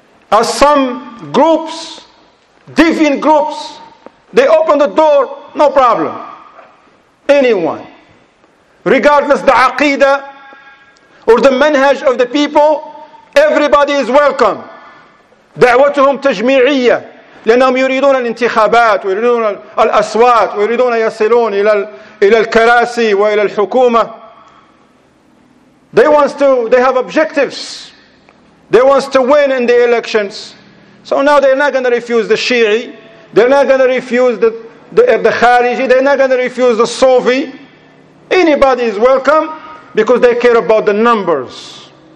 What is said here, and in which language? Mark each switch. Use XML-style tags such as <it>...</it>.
<en>As some groups, deviant groups, they open the door, no problem. Anyone, regardless the aqidah or the manhaj of the people, everybody is welcome.</en> <ar>دعوتهم تجميعية لأنهم يريدون الانتخابات ويريدون الأصوات ويريدون يصلون إلى الكراسي وإلى الحكومة.</ar> <en>They have objectives. They want to win in the elections. So now they're not going to refuse the Shi'i. They're not going to refuse the Khariji. They're not going to refuse the Sufi. Anybody is welcome because they care about the numbers.</en>